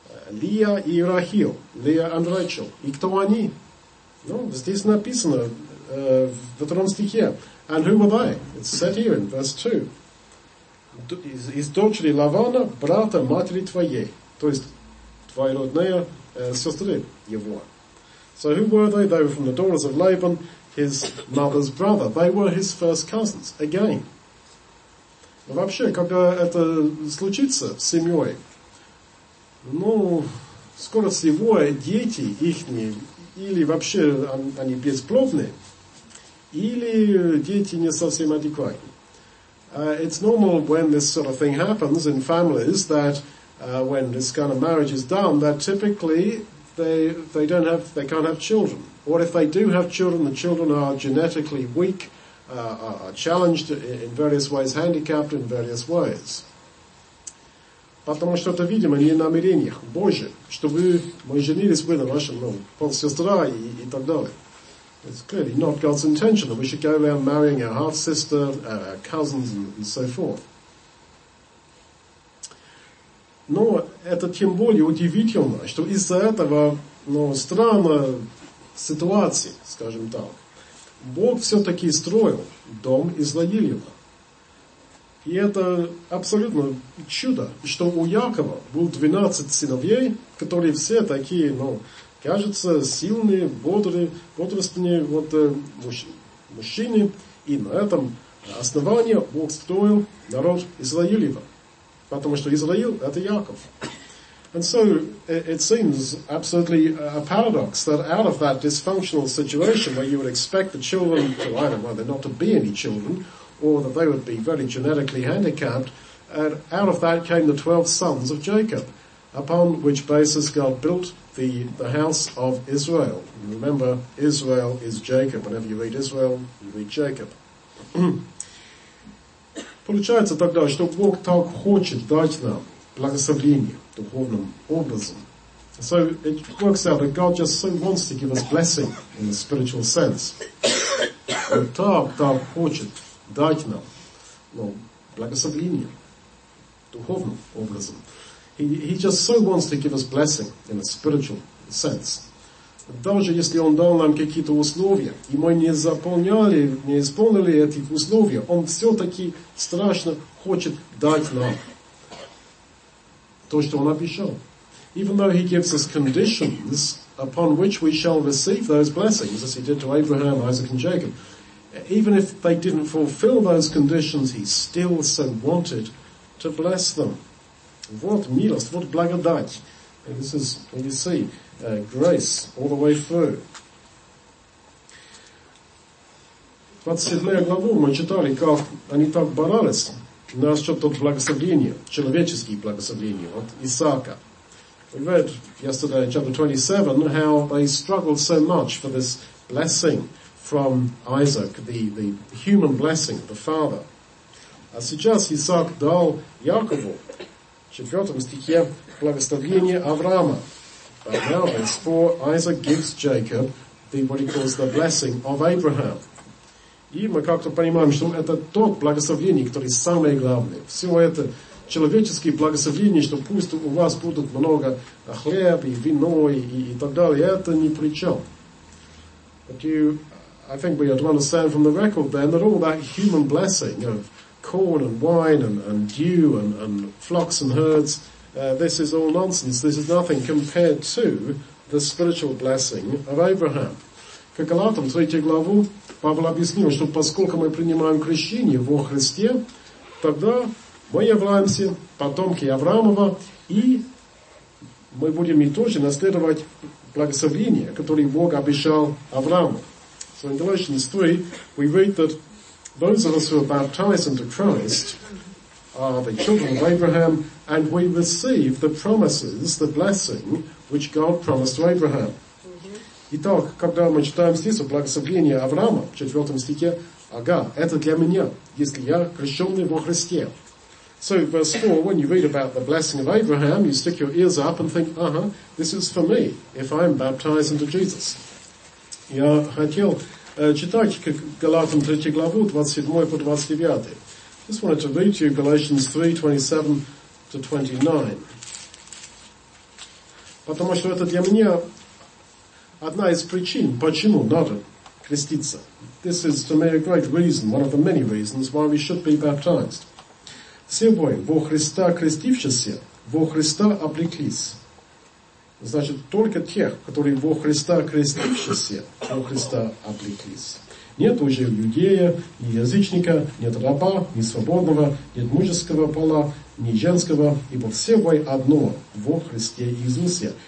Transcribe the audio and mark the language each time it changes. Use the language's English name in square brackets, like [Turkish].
[Russian] Лия и Рахил. Лия и Рэйчел. И кто они? Ну, здесь написано в втором стихе. [English] And who were they? It's said here in verse 2. [Russian] Из дочери Лавана, брата матери твоей. То есть, твоя родная сестры его. [English] So who were they? They were from the daughters of Laban, his mother's brother. They were his first cousins. Again. [Russian] Вообще, когда это случится с семьей, ну, скоро всего дети их, или вообще они бесплодны, или дети не совсем адекватны. [English] It's normal when this sort of thing happens in families that when this kind of marriage is done, that typically they can't have children. Or if they do have children, the children are genetically weak, are challenged in various ways, handicapped in various ways. [Russian] Потому что это, видимо, не намерение Божие, чтобы мы женились вы на вашем, ну, полсестра и так далее. [English] It's clearly not God's intention that we should go around marrying our half-sister, our cousins, and so forth. [Russian] Но это тем более удивительно, что из-за этого, ну, странной ситуации, скажем так, Бог все-таки строил дом Израилева. И это абсолютно чудо, что у Якова был 12 сыновей, которые все такие, ну, кажется, сильные, бодрые, бодростные вот, мужчины. И на этом основании Бог строил народ Израилева. Потому что Израил – это Яков. [English] And so it seems absolutely a paradox that out of that dysfunctional situation where you would expect the children to either, well, not to be any children, or that they would be very genetically handicapped, and out of that came the 12 sons of Jacob, upon which basis God built the house of Israel. And remember, Israel is Jacob. Whenever you read Israel, you read Jacob. [Russian] Получается тогда, что Бог так хочет дать нам благословение духовным образом. [English] So it works out that God just so wants to give us blessing in the spiritual sense. [Russian] Он так хочет дать нам, ну, благословение духовным образом. [English] He just so wants to give us blessing in a spiritual sense. [Russian] Даже если он дал нам какие-то условия, и мы не исполнили эти условия, он все-таки страшно хочет дать нам то, что он обещал. [English] Even though he gives us conditions upon which we shall receive those blessings, as he did to Abraham, Isaac and Jacob, even if they didn't fulfill those conditions, he still so wanted to bless them. [Russian] Вот милость, вот благодать. [English] And this is, when you see, grace all the way through. [Russian] 27 главу мы читали, как они так боролись насчет того благословения, человеческих благословений от Исаака. [English] We read yesterday in chapter 27 how they struggled so much for this blessing from Isaac, the human blessing, the father. [Russian] А сейчас Исаак дал Якову в четвертом стихе благословение Авраама. [English] But now it's for Isaac gives Jacob the, what he calls the blessing of Abraham. [Russian] И мы как-то понимаем, что это тот благословение, который самое главное. Все это человеческие благословения, что пусть у вас будут много хлеб и вино и так далее. Это ни при чем. [English] But you, I think we ought to understand from the record then that all that human blessing of corn and wine and dew and flocks and herds, this is all nonsense. This is nothing compared to the spiritual blessing of Abraham. [Russian] К Галатам, 3 главу, Павел объяснил, что поскольку мы принимаем крещение во Христе, тогда мы являемся потомки Авраамова, и мы будем и тоже наследовать благословение, которое Бог обещал Аврааму. [English] So in Galatians 3, we read that those of us who are baptized into Christ are the children of Abraham, and we receive the promises, the blessing, which God promised to Abraham. [Russian] Итак, когда мы читаем здесь о благословении Авраама, в 4 стихе, ага, это для меня, если я крещенный во Христе. [English] So, verse 4, when you read about the blessing of Abraham, you stick your ears up and think, uh-huh, this is for me, if I am baptized into Jesus. [Russian] Я хотел читать Галатам 3 главу, 27 по 29. [English] Just wanted to read to you Galatians 3, 27 to 29. [Russian] Потому что это для меня одна из причин, почему надо креститься. [English] This is to me a great reason, one of the many reasons why we should be baptized. [Russian] Все вы во Христа крестившиеся, во Христа облеклись. Значит, только тех, которые во Христа крестившиеся, во Христа облеклись. Нет уже иудея, ни язычника, нет раба, ни свободного, нет мужеского пола, ни женского, ибо все вы одно во Христе Иисусе.